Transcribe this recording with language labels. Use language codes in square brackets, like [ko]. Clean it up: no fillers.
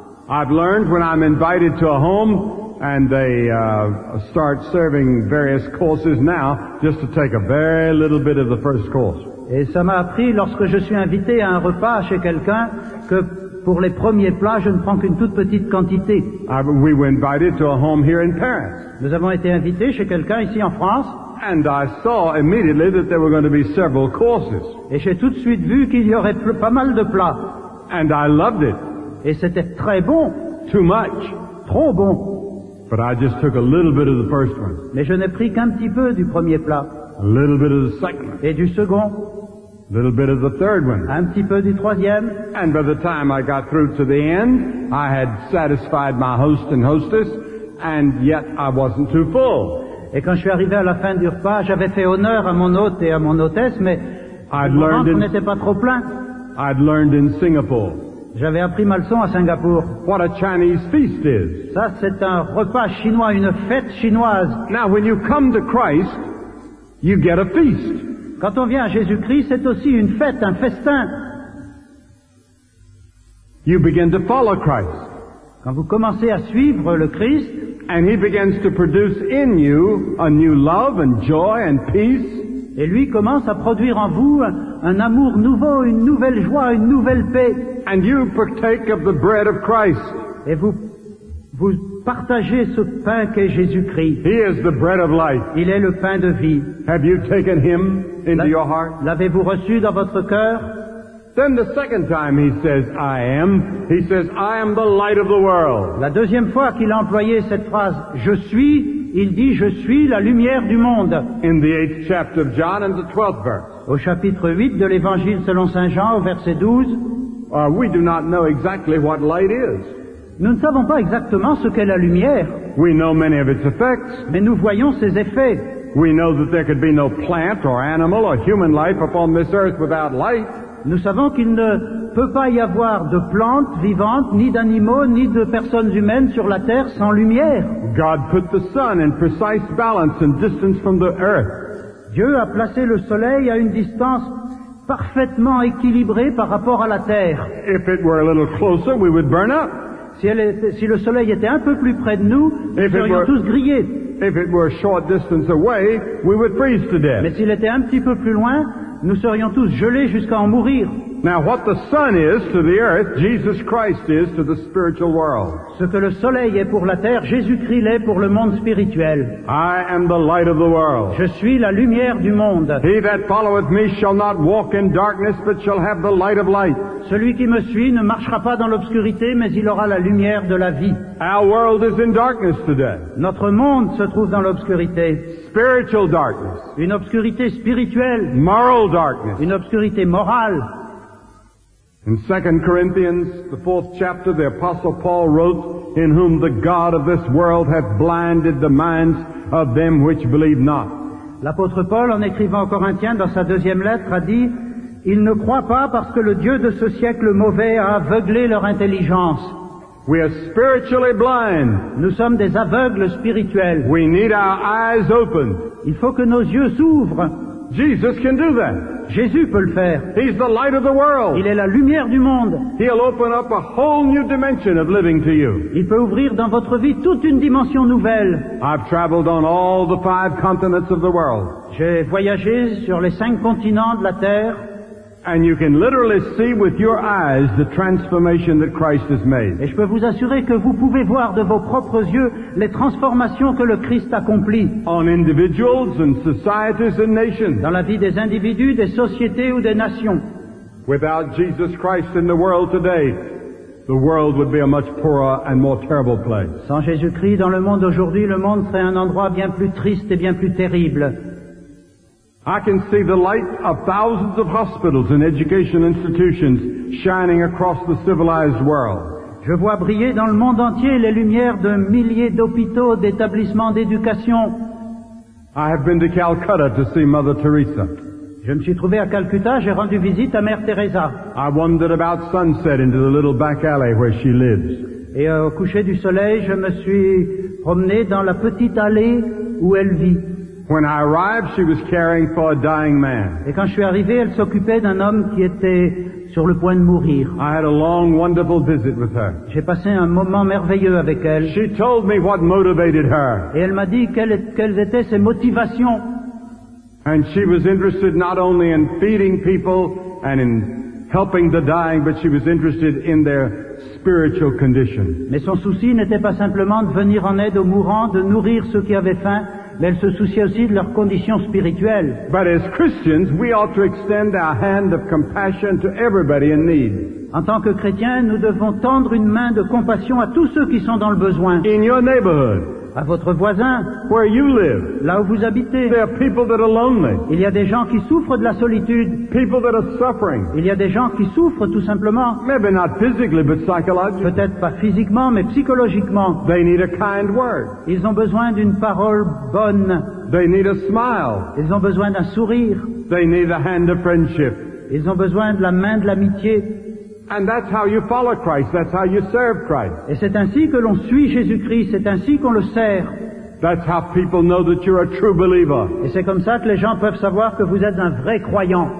[en] I've learned when I'm invited to a home and they start serving various courses now just to take a very little bit of the first course. [fr] Et ça m'a appris lorsque je suis invité à un repas chez quelqu'un que pour les premiers plats je ne prends qu'une toute petite quantité. [en] We were invited to a home here in Paris. [fr] Nous avons été invités chez quelqu'un ici en France. [en] And I saw immediately that there were going to be several courses. [fr] Et j'ai tout de suite vu qu'il y aurait pas mal de plats. [en] And I loved it. [fr] Et c'était très bon. [en] Too much. [fr] Trop bon. [en] But I just took a little bit of the first one. [fr] Mais je n'ai pris qu'un petit peu du premier plat. [en] A little bit of the second. [fr] Et du second. [en] A little bit of the third one. [fr] Un petit peu du troisième. [en] And by the time I got through to the end, I had satisfied my host and hostess, and yet I wasn't too full. [fr] Et quand je suis arrivé à la fin du repas, j'avais fait honneur à mon hôte et à mon hôtesse, mais mon ventre n'était pas trop plein. [en] I'd learned in Singapore. [fr] J'avais appris ma leçon à Singapour. [en] What a Chinese feast is. [fr] Ça, c'est un repas chinois, une fête chinoise. [en] Now, when you come to Christ, you get a feast. [fr] Quand on vient à Jésus-Christ, c'est aussi une fête, un festin. [en] You begin to follow Christ. [fr] Quand vous commencez à suivre le Christ, [en] and he begins to produce in you a new love and joy and peace. [fr] Et lui commence à produire en vous un amour nouveau, une nouvelle joie, une nouvelle paix. [en] And you partake of the bread of Christ. [fr] Et vous Vous partagez ce pain qu'est Jésus-Christ. [en] He is the bread of life. [fr] Il est le pain de vie. [en] Have you taken him into your heart? [fr] L'avez-vous reçu dans votre cœur? [en] Then the second time he says, I am, he says, I am the light of the world. [fr] La deuxième fois qu'il a employé cette phrase, je suis, il dit, je suis la lumière du monde. [en] In the 8th chapter of John and the 12th verse. [fr] Au chapitre 8 de l'évangile selon Saint Jean, au verset 12. [en] We do not know exactly what light is. [fr] Nous ne savons pas exactement ce qu'est la lumière. [en] We know many of its effects. [fr] Mais nous voyons ses effets. [en] We know that there could be no plant or animal or human life upon this earth without light. [fr] Nous savons qu'il ne peut pas y avoir de plantes vivantes, ni d'animaux, ni de personnes humaines sur la terre sans lumière. [en] God put the sun in precise balance and distance from the earth. [fr] Dieu a placé le soleil à une distance parfaitement équilibrée par rapport à la terre. [en] If it were a little closer, we would burn up. [fr] Si le soleil était un peu plus près de nous, nous serions tous grillés. [en] If it were a short distance away, we would freeze to death. [fr] Mais s'il était un petit peu plus loin, nous serions tous gelés jusqu'à en mourir. [en] Now what the sun is to the earth, Jesus Christ is to the spiritual world. [fr] Ce que le soleil est pour la terre, Jésus-Christ l'est pour le monde spirituel. [en] I am the light of the world. [fr] Je suis la lumière du monde. [en] He that followeth me shall not walk in darkness, but shall have the light of light. [fr] Celui qui me suit ne marchera pas dans l'obscurité, mais il aura la lumière de la vie. [en] Our world is in darkness today. [fr] Notre monde se trouve dans l'obscurité. [en] Spiritual darkness. [fr] Une obscurité spirituelle. [en] Moral darkness. [fr] Une obscurité morale. [en] In 2 Corinthians, the 4th chapter, the Apostle Paul wrote, In whom the God of this world hath blinded the minds of them which believe not. [fr] L'apôtre Paul, en écrivant aux Corinthiens, dans sa deuxième lettre, a dit, Ils ne croient pas parce que le Dieu de ce siècle mauvais a aveuglé leur intelligence. [en] We are spiritually blind. [fr] Nous sommes des aveugles spirituels. [en] We need our eyes opened. [fr] Il faut que nos yeux s'ouvrent. [en] Jesus can do that. [fr] Jésus peut le faire. [en] He's the light of the world. [fr] Il est la lumière du monde. [en] He'll open up a whole new dimension of living to you. [fr] Il peut ouvrir dans votre vie toute une dimension nouvelle. [en] I've traveled on all the 5 continents of the world. [fr] J'ai voyagé sur les 5 continents de la terre. [en] And you can literally see with your eyes the transformation that Christ has made. [fr] Et je peux vous assurer que vous pouvez voir de vos propres yeux les transformations que le Christ accomplit. [en] On individuals and societies and nations. [fr] Dans la vie des individus, des sociétés ou des nations. [en] Without Jesus Christ in the world today, the world would be a much poorer and more terrible place. [fr] Sans Jésus-Christ dans le monde aujourd'hui, le monde serait un endroit bien plus triste et bien plus terrible. [en] I can see the light of thousands of hospitals and education institutions shining across the civilized world. [fr] Je vois briller dans le monde entier les lumières de milliers d'hôpitaux, d'établissements d'éducation. [en] I have been to Calcutta to see Mother Teresa. [fr] Je me suis trouvé à Calcutta, j'ai rendu visite à Mère Teresa. [en] I wandered about sunset into the little back alley where she lives. [fr] Et au coucher du soleil, je me suis promené dans la petite allée où elle vit. [en] When I arrived, she was caring for a dying man. [fr] Et quand je suis arrivé, elle s'occupait d'un homme qui était sur le point de mourir. [en] I had a long, wonderful visit with her. [fr] J'ai passé un moment merveilleux avec elle. [en] She told me what motivated her. [fr] Et elle m'a dit quelles étaient ses motivations. [en] And she was interested not only in feeding people and in helping the dying, but she was interested in their spiritual condition. [fr] Mais son souci n'était pas simplement de venir en aide aux mourants, de nourrir ceux qui avaient faim. Mais elle se souciait aussi de leurs conditions spirituelles. [en] But as Christians, we ought to extend our hand of compassion to everybody in need. [fr] En tant que chrétiens, nous devons tendre une main de compassion à tous ceux qui sont dans le besoin. [en] In your neighborhood. [fr] À votre voisin. [en] Where you live. [fr] Là où vous habitez. [en] There are people that are lonely. [fr] Il y a des gens qui souffrent de la solitude. [en] People that are suffering. [fr] Il y a des gens qui souffrent tout simplement. [en] Maybe not physically, but psychologically. [fr] Peut-être pas physiquement, mais psychologiquement. [en] They need a kind word. [fr] Ils ont besoin d'une parole bonne. [en] They need a smile. [fr] Ils ont besoin d'un sourire. [en] They need a hand of friendship. [fr] Ils ont besoin de la main de l'amitié. [en] And that's how you follow Christ. That's how you serve Christ. [fr] Et c'est ainsi que l'on suit Jésus-Christ. C'est ainsi qu'on le sert. [en] That's how people know that you're a true believer. [fr] Et c'est comme ça que les gens peuvent savoir que vous êtes un vrai croyant.